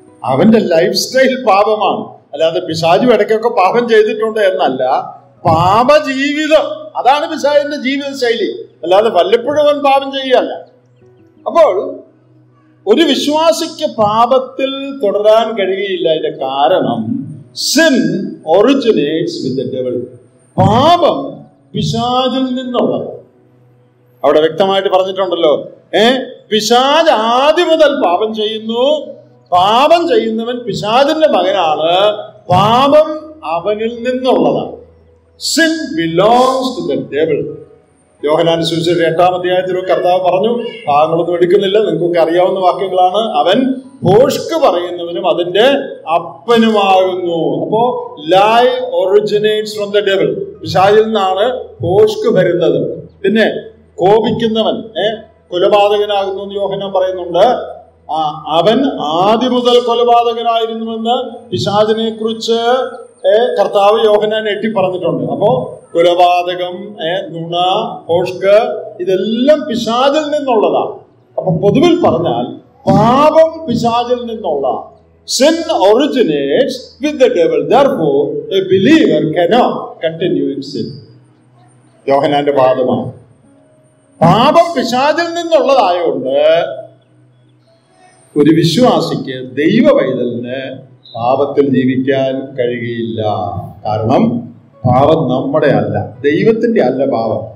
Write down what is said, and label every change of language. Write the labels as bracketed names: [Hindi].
[Malayalam] അവന്റെ life style പാപമാണ്. അല്ലാതെ പിശാചു ഇടയ്ക്കൊക്കെ പാപം ചെയ്തിട്ടുണ്ട് എന്നല്ല, പാപ ജീവിതം അതാണ് പിശാചിന്റെ ജീവിത ശൈലി. അല്ലാതെ വല്ലപ്പോഴും അവൻ പാപം ചെയ്യല്ല. അപ്പോൾ ഒരു വിശ്വാസിക്ക് പാപത്തിൽ തുടരാൻ കഴിയില്ല. അതിന്റെ കാരണം [English] sin originates with the devil. [Malayalam] പാപം പിശാചിൽ നിന്നുള്ളത്. അവിടെ വ്യക്തമായിട്ട് പറഞ്ഞിട്ടുണ്ടല്ലോ, പിശാച് ആദ്യം മുതൽ പാപം ചെയ്യുന്നു. പാപം ചെയ്യുന്നവൻ പിശാചിന്റെ മകനാണ്. പാപം അവനിൽ നിന്നുള്ളതാണ്. [English] Sin belongs to the devil. [Malayalam] യോഹന്നാൻ സുവിശേഷം 8-ാം അധ്യായത്തിൽ കർത്താവ് പറഞ്ഞു, പാപങ്ങളൊന്നും എടുക്കുന്നില്ല, നിങ്ങൾക്കൊക്കെ അറിയാവുന്ന വാക്യങ്ങളാണ്, അവൻ ഭോഷ്ക് പറയുന്നവനും അതിന്റെ അപ്പനുമാകുന്നു. [English] അപ്പോ lie originates from the devil. [Malayalam] പിശാചിൽ നിന്നാണ് ഭോഷ്ക് വരുന്നത്. പിന്നെ കോപിക്കുന്നവൻ കൊലപാതകനാകുന്നു എന്ന് യോഹന്നാൻ പറയുന്നുണ്ട്. അവൻ ആദ്യം മുതൽ കൊലപാതകനായിരുന്നുവെന്ന് പിശാചിനെ കുറിച്ച് കർത്താവ് യോഹന്നാൻ എട്ടി പറഞ്ഞിട്ടുണ്ട്. അപ്പോ കൊലപാതകം, നുണ, ഭോഷ്ക് ഇതെല്ലാം പിശാചിൽ നിന്നുള്ളതാ. അപ്പൊ പൊതുവിൽ പറഞ്ഞാൽ പാപം പിശാചിൽ നിന്നുള്ള. [English] Sin originates with the devil. Therefore, a believer cannot continue in sin. [Malayalam] യോഹന്നാന്റെ വാദമാണ്. പാപം പിശാചിൽ നിന്നുള്ളതായോണ്ട് ഒരു വിശ്വാസിക്ക് ദൈവ വൈതലിന് പാപത്തിൽ ജീവിക്കാൻ കഴിയില്ല. കാരണം പാപം നമ്മുടെ അല്ല, ദൈവത്തിന്റെ അല്ല പാപം.